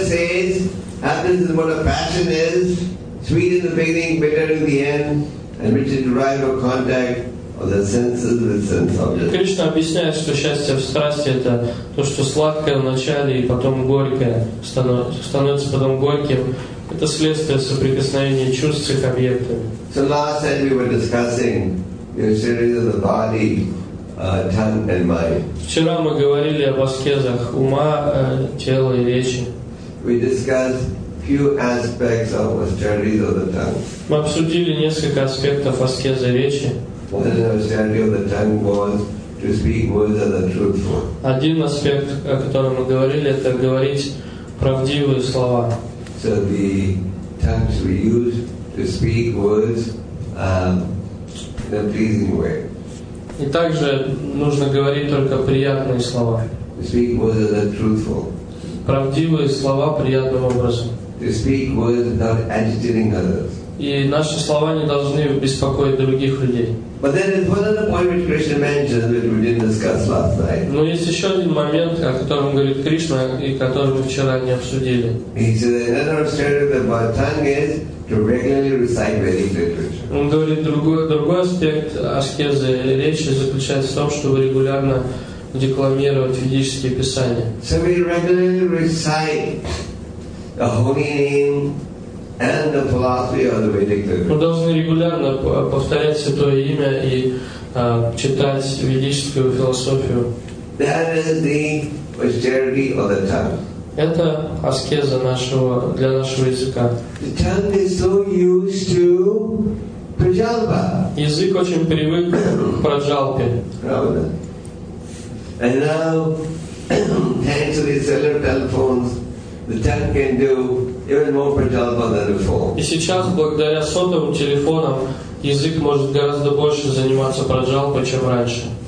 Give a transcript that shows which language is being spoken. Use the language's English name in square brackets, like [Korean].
[English] Happiness is what a passion is, sweet in the beginning, bitter in the end, and which is derived from contact of the senses with sense objects. [Russian] Кришна объясняет, что счастье в страсти — это то, что сладкое в начале и потом горькое, становится потом горьким. Это следствие соприкосновения чувств с объектами. [English] So last time we were discussing the series of the body, tongue and mind. [Russian] Вчера мы говорили об аскезах ума, тела и речи. [English] We discussed few aspects of austerities of the tongue. [Russian] Мы обсудили несколько аспектов аскезы речи. [English] One austerity of the tongue was to speak words that are truthful. [Russian] Один аспект, о котором мы говорили, это говорить правдивые слова. [English] So the tongues we use to speak words in a pleasing way. [Russian] И также нужно говорить только приятные слова. [English] To speak words that are truthful. [Russian] Правдивые слова приятным образом. [English] To speak words without agitating others. [Russian] И наши слова не должны беспокоить других людей. [English] But then there's one other point which Krishna mentions which we didn't discuss last night. [Russian] Но есть еще один момент, о котором говорит Кришна и который мы вчера не обсудили. [English] He says another aspect of the tongue is to regularly recite Vedic literature. [Russian] Он говорит другой аспект аскезы речи заключается в том, чтобы регулярно декламировать ведические писания. [English] So we regularly recite the holy name and the philosophy of the Vedic literature. [Russian] Мы должны регулярно повторять святое имя и читать ведическую философию. [English] That is the austerity of the tongue. [Russian] Это аскеза нашего для нашего языка. [English] The tongue is so used to prajalpa. [Russian] Язык очень привык к праджалпе. [English] And now, thanks to these cellular telephones, the tongue can do even more prajalpa than before. [Russian] И сейчас, благодаря сотовым телефонам, язык может гораздо больше заниматься праджалпой, чем раньше.